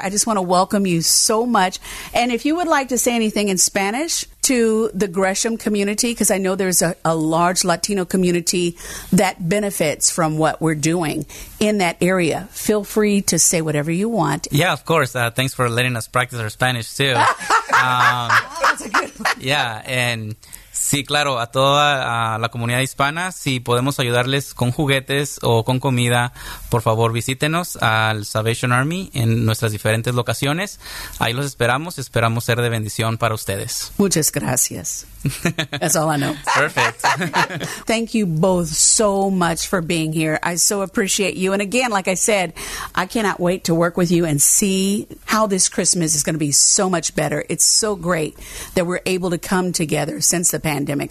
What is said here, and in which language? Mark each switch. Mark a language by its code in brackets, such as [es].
[en] I just want to welcome you so much. And if you would like to say anything in Spanish to the Gresham community, because I know there's a large Latino community that benefits from what we're doing in that area, feel free to say whatever you want. Yeah, of course. Thanks for letting us practice our Spanish, too. That's a good one. Yeah, and [es] Sí, claro, a toda la comunidad hispana, si podemos ayudarles con juguetes o con comida, por favor visítenos al Salvation Army en nuestras diferentes locaciones. Ahí los esperamos, esperamos ser de bendición para ustedes. Muchas gracias. [en] That's all I know. Perfect. Thank you both so much for being here. I so appreciate you. And again, like I said, I cannot wait to work with you and see how this Christmas is going to be so much better. It's so great that we're able to come together since the pandemic.